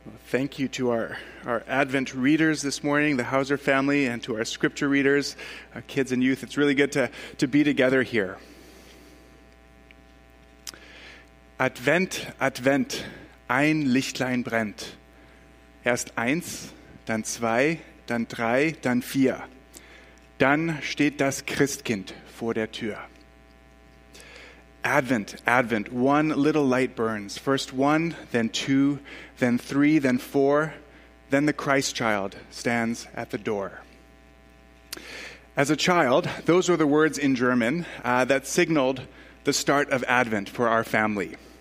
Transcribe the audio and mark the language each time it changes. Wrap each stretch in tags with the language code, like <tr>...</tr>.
<en>Thank you to our Advent readers this morning, the Hauser family, and to our scripture readers, kids and youth. It's really good to be together here.</en> <de>Advent, Advent, ein Lichtlein brennt. Erst eins, dann zwei, dann drei, dann vier. Dann steht das Christkind vor der Tür.</de> <en>Advent, Advent, one little light burns. First one, then two, then three, then four. Then the Christ child stands at the door. As a child, those were the words in German that signaled the start of Advent for our family.</en>